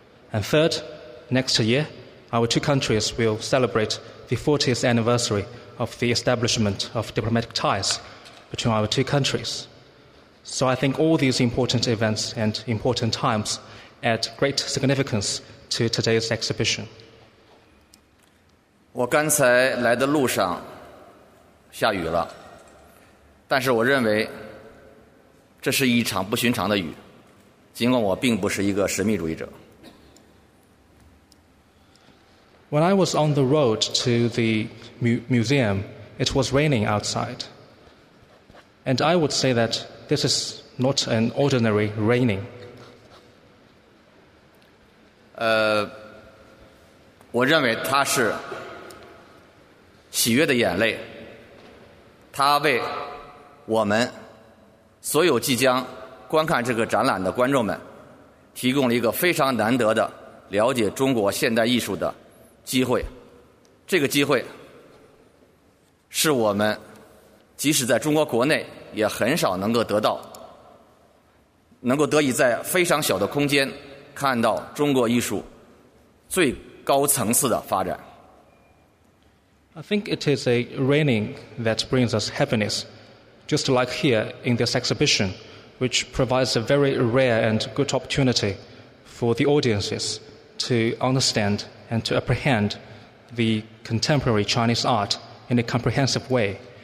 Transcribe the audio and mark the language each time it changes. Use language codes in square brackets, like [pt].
[en] And third, next year, our two countries will celebrate the 40th anniversary of the establishment of diplomatic ties between our two countries. So I think all these important events and important times add great significance to today's exhibition. [zh] 我刚才来的路上下雨了，但是我认为这是一场不寻常的雨，尽管我并不是一个神秘主义者。 [en] When I was on the road to the museum, it was raining outside. And I would say that This is not an ordinary raining. [zh] 我认为它是喜悦的眼泪，它为我们所有即将观看这个展览的观众们提供了一个非常难得的了解中国现代艺术的机会。这个机会是我们即使在中国国内也很少能够得到能够得以在非常小的空间看到中国艺术最高层次的发展。 [en] I think it is a raining that brings us happiness, just like here in this exhibition, which provides a very rare and good opportunity for the audiences to understand and to apprehend the contemporary Chinese art in a comprehensive way.